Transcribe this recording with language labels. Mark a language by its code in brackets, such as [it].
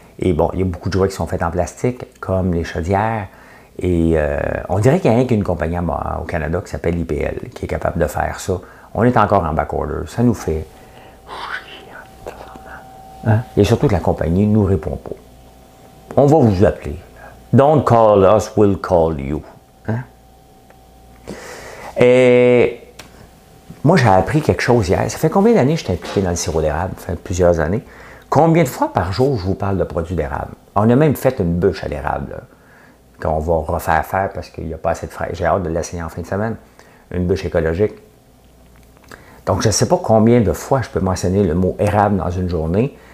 [fr] Et bon, il y a beaucoup de jouets qui sont faits en plastique, comme les chaudières. Et on dirait qu'il y a rien qu'une compagnie au Canada qui s'appelle IPL, qui est capable de faire ça. On est encore en backorder. Ça nous fait hein? Et surtout que la compagnie ne nous répond pas. On va vous appeler. [en] Don't call us, we'll call you. Hein? [fr] Et moi, j'ai appris quelque chose hier. Ça fait combien d'années que je suis impliqué dans le sirop d'érable? Ça fait plusieurs années. Combien de fois par jour je vous parle de produits d'érable? On a même fait une bûche à l'érable, là, qu'on va refaire faire parce qu'il n'y a pas assez de frais. J'ai hâte de l'essayer en fin de semaine. Une bûche écologique. Donc, je ne sais pas combien de fois je peux mentionner le mot érable dans une journée.